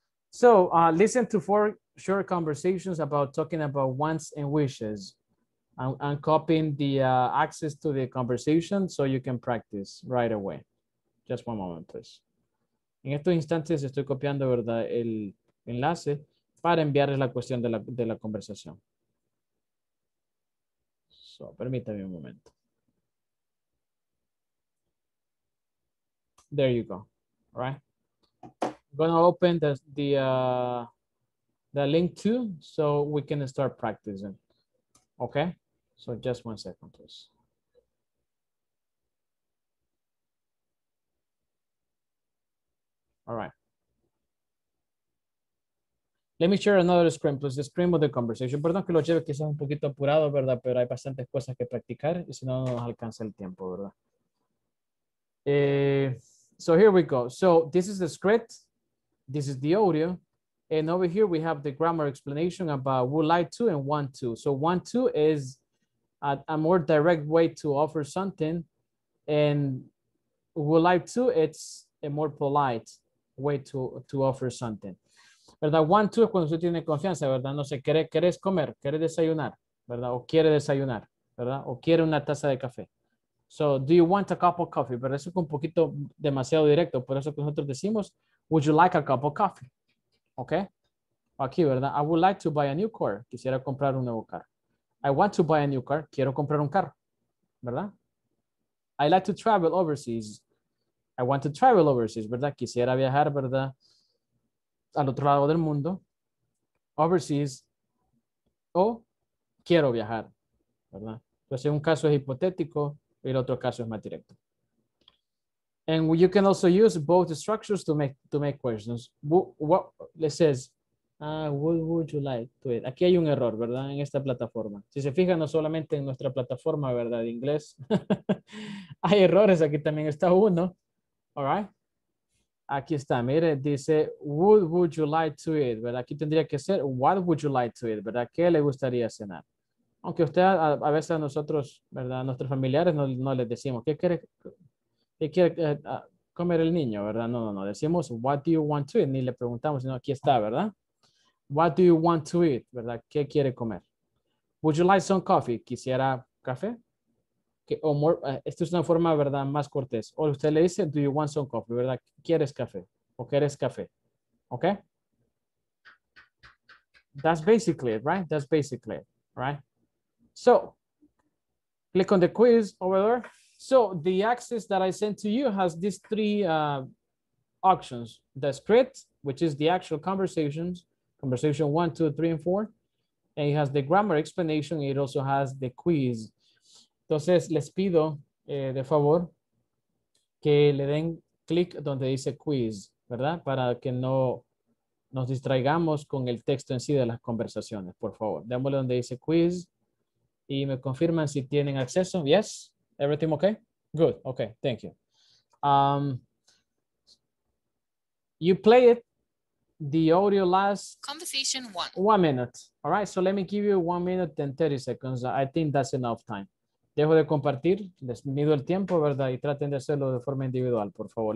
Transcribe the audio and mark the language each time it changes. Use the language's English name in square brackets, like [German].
[English] So listen to four short conversations about talking about wants and wishes. I'm copying the access to the conversation so you can practice right away. Just one moment, please. [Spanish] En estos instantes estoy copiando, ¿verdad?, el enlace para enviarles la cuestión de la conversación. So permítame un momento. [English] There you go, all right? Gonna open the link too, so we can start practicing. Okay, so just one second, please. All right. Let me share another screen, please. The screen of the conversation. [Spanish] Perdón que lo lleve quizás un poquito apurado, ¿verdad? Pero hay bastantes cosas que practicar y si no, no nos alcanza el tiempo, ¿verdad? [English] So here we go. So this is the script. This is the audio. And over here, we have the grammar explanation about would like to and want to. So want to is a more direct way to offer something. And would like to, it's a more polite way to offer something. [Spanish] ¿Verdad? Want to es cuando usted tiene confianza, ¿verdad? No sé, ¿quieres comer? ¿Quieres desayunar? ¿Verdad? O quiere desayunar, ¿verdad? O quiere una taza de café. [English] So do you want a cup of coffee? [Spanish] Pero eso es un poquito demasiado directo. Por eso que nosotros decimos, [English] would you like a cup of coffee? [Spanish] Okay. Aquí, ¿verdad? [English] I would like to buy a new car. [Spanish] Quisiera comprar un nuevo carro. [English] I want to buy a new car. [Spanish] Quiero comprar un carro. ¿Verdad? [English] I like to travel overseas. I want to travel overseas. [Spanish] ¿Verdad? Quisiera viajar, ¿verdad? Al otro lado del mundo. Overseas. O quiero viajar. ¿Verdad? Entonces, un caso es hipotético y el otro caso es más directo. [English] And you can also use both structures to make questions. What it says, what would you like to it? [Spanish] Aquí hay un error, ¿verdad? En esta plataforma. Si se fijan, no solamente en nuestra plataforma, ¿verdad? De inglés. Hay errores. Aquí también está uno. [English] All right. [Spanish] Aquí está. Mire, dice, [English] what would you like to it? [Spanish] ¿Verdad? Aquí tendría que ser, what would you like to it? ¿Verdad? ¿Qué le gustaría cenar? Aunque usted, a veces a nosotros, ¿verdad? A nuestros familiares no les decimos, ¿qué quiere? ¿Qué quiere comer el niño, verdad? No. Decimos, [English] what do you want to eat? [Spanish] Ni le preguntamos, sino aquí está, ¿verdad? [English] What do you want to eat, [Spanish] verdad? ¿Qué quiere comer? [English] Would you like some coffee? [Spanish] ¿Quisiera café? O more, esto es una forma, ¿verdad? Más cortés. O usted le dice, [English] do you want some coffee, [Spanish] verdad? ¿Quieres café? ¿O quieres café? ¿Ok? [English] That's basically it, right? That's basically it, right? So, click on the quiz over there. So, the access that I sent to you has these three options. The script, which is the actual conversations, conversation 1, 2, 3, and 4. And it has the grammar explanation. It also has the quiz. [Spanish] Entonces, les pido de favor que le den clic donde dice quiz, ¿verdad? Para que no nos distraigamos con el texto en sí de las conversaciones, por favor. Démosle donde dice quiz y me confirman si tienen acceso. [English] Yes? Everything okay? Good. Okay. Thank you. You play it. The audio last conversation one minute. All right, so let me give you 1 minute and 30 seconds. I think that's enough time. [Spanish] Dejo de compartir, les mido el tiempo, verdad, y traten de hacerlo de forma individual, por favor.